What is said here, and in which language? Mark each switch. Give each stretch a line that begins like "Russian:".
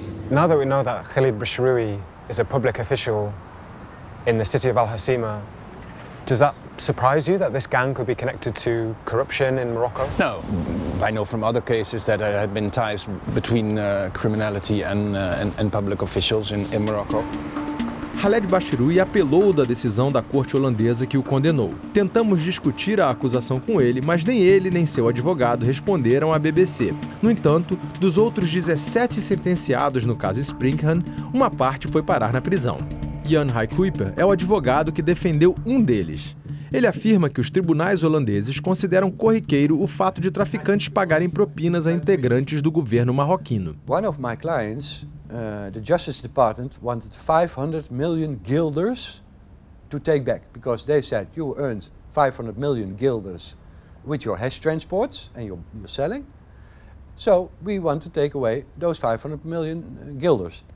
English: Now that we know that Khalid Bishroui is a public official in the city of Al Hoceima, does that surprise you that this gang could be connected to corruption in Morocco? No, I know from other cases that there have been ties between criminality and public officials in Morocco.
Portuguese: Khalid Bishroui apelou da decisão da corte holandesa que o condenou. Tentamos discutir a acusação com ele, mas nem ele nem seu advogado responderam à BBC. No entanto, dos outros 17 sentenciados no caso Sprinkhan, uma parte foi parar na prisão. Jan Heikuiper é o advogado que defendeu um deles. Ele afirma que os tribunais holandeses consideram corriqueiro o fato de traficantes pagarem propinas a integrantes do governo marroquino.
English: One of my clients, the Justice Department wanted 500 million guilders to take back because they said you earned 500 million guilders with your hash transports and your selling. So we want to take away those 500 million guilders.